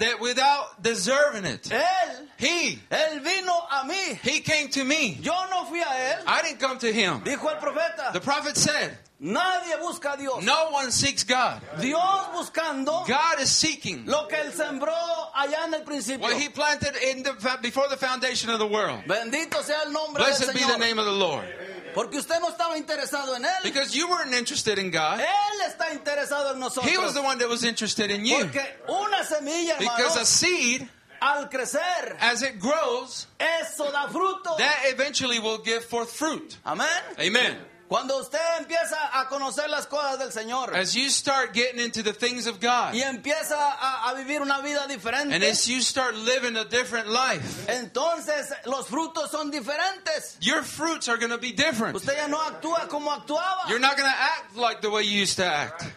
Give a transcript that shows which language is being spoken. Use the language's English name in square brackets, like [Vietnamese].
[English] that without deserving it, [Spanish] él vino a mí. [English] He came to me. [Spanish] Yo no fui a él. [English] I didn't come to him. [Spanish] Dijo el profeta, [English] the prophet said, [Spanish] nadie busca a Dios. [English] No one seeks God. [Spanish] Dios buscando, [English] God is seeking [Spanish] lo que él sembró allá en el principio. [English] What he planted in the, before the foundation of the world. [Spanish] Bendito sea el nombre [English] blessed [Spanish] del Señor. [English] Be the name of the Lord. [Spanish] Porque usted no estaba interesado en él. [English] Because you weren't interested in God. [Spanish] Él está interesado en nosotros. [English] He was the one that was interested in you. [Spanish] Porque una semilla, [English] because a seed, [Spanish] al crecer, [English] as it grows, [Spanish] eso da fruto. [English] That eventually will give forth fruit. [Spanish] Amen. [English] Amen. [Spanish] Cuando usted empieza a conocer las cosas del Señor, [English] as you start getting into the things of God, [Spanish] y empieza a vivir una vida diferente, [English] and as you start living a different life, [Spanish] entonces los frutos son diferentes. [English] Your fruits are going to be different. [Spanish] Usted ya no actúa como actuaba. [English] You're not going to act like the way you used to act.